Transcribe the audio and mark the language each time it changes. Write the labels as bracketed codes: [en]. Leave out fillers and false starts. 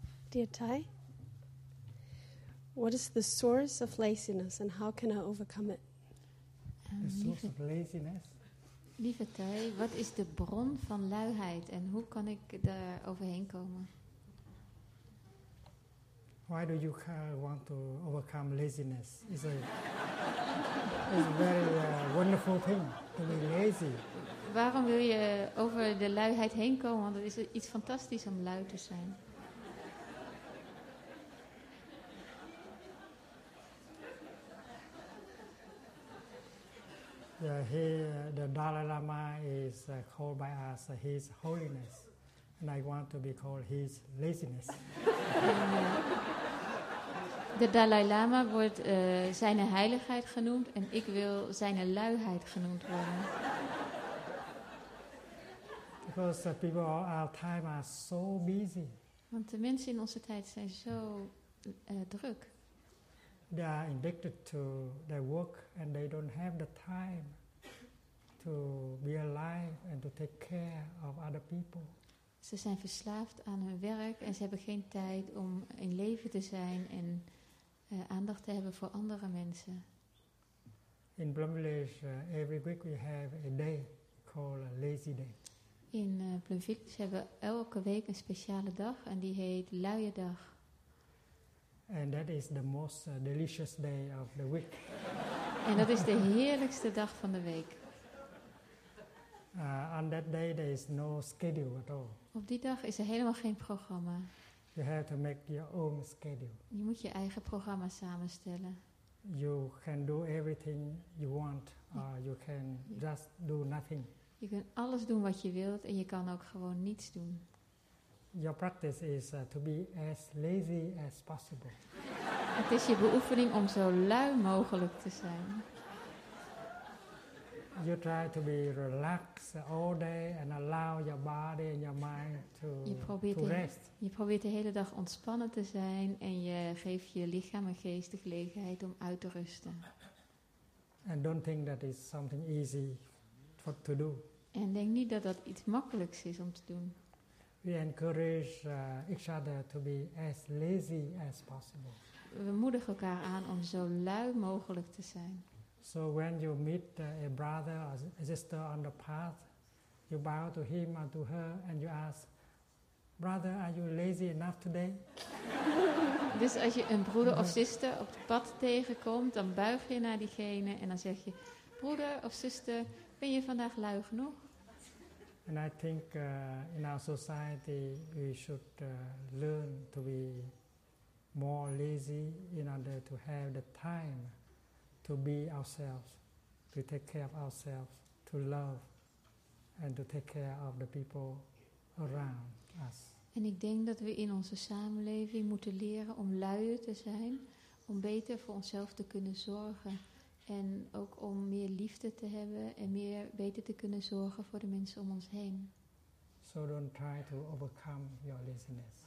[en] Dear Thay, what is the source of laziness and how can I overcome it? The source of laziness? [nl] Lieve Thay, wat is de bron van luiheid en hoe kan ik daar overheen komen? [en] Why do you want to overcome laziness? It's a very wonderful thing to be lazy. [nl] Waarom wil je over de luiheid heen komen? Want het is iets fantastisch om lui te zijn. [en] The Dalai Lama is called by us His Holiness, and I want to be called His Laziness. [nl] De Dalai Lama wordt zijn heiligheid genoemd, en ik wil zijn luiheid genoemd worden. [en] Because people of our time are so busy. [nl] Want de mensen in onze tijd zijn zo druk. [en] They are addicted to their work, and they don't have the time to be alive and to take care of other people. [nl] Ze zijn verslaafd aan hun werk en ze hebben geen tijd om in leven te zijn en aandacht te hebben voor andere mensen. [en] In Bloom Village, every week we have a day called a lazy day. [nl] In Bloom Village hebben we elke week een speciale dag en die heet luie dag. [en] And that is the most delicious day of the week. [nl] En dat is de heerlijkste dag van de week. [en] On that day there is no schedule at all. [nl] Op die dag is er helemaal geen programma. [en] You have to make your own schedule. [nl] Je moet je eigen programma samenstellen. [en] You can do everything you want, or you can just do nothing. [nl] Je kunt alles doen wat je wilt en je kan ook gewoon niets doen. [en] Your practice is to be as lazy as possible. [nl] Het is je beoefening om zo lui mogelijk te zijn. [en] You try to be relaxed all day and allow your body and your mind to rest. [nl] Je probeert de hele dag ontspannen te zijn en je geeft je lichaam en geest de gelegenheid om uit te rusten. [en] And don't think that is something easy to do. [nl] En denk niet dat dat iets makkelijks is om te doen. [en] We encourage each other to be as lazy as possible. [nl] We moedigen elkaar aan om zo lui mogelijk te zijn. [en] So when you meet a brother or a sister on the path, you bow to him or to her and you ask, "Brother, are you lazy enough today?" [nl] Dus als je een broeder of zuster op het pad tegenkomt, dan buig je naar diegene en dan zeg je: "Broeder of zuster, ben je vandaag lui genoeg?" [en] And I think in our society we should learn to be more lazy in order to have the time to be ourselves, to take care of ourselves, to love, and to take care of the people around us. [nl] En ik denk dat we in onze samenleving moeten leren om luier te zijn, om beter voor onszelf te kunnen zorgen. En ook om meer liefde te hebben en meer beter te kunnen zorgen voor de mensen om ons heen. [en] So don't try to overcome your laziness.